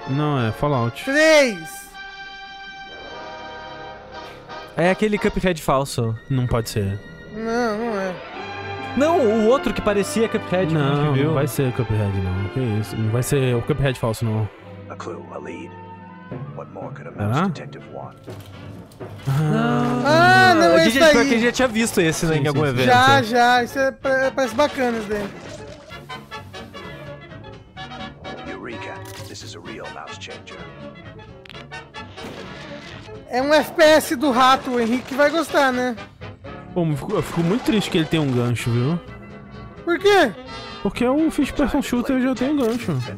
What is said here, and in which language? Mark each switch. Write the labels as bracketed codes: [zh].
[pt] Não, é Fallout. 3. É aquele Cuphead falso. Não pode ser. Não, não é. Não, o outro que parecia Cuphead, não, que a gente viu. Não vai ser Cuphead, não. Que isso? Não vai ser o Cuphead falso, não. [en] A clue, a lead. What more could a mouse detective want? [pt] Ah, não, não, esse aí. A gente já tinha visto esse, né, em algum evento. Já, já. Isso é, parece bacana, esse daí. [en] Eureka, this is a real mouse changer. [pt] É um FPS do rato, o Henrique vai gostar, né? Pô, eu fico muito triste que ele tenha um gancho, viu? Por quê? Porque é um first person shooter e já tem um gancho.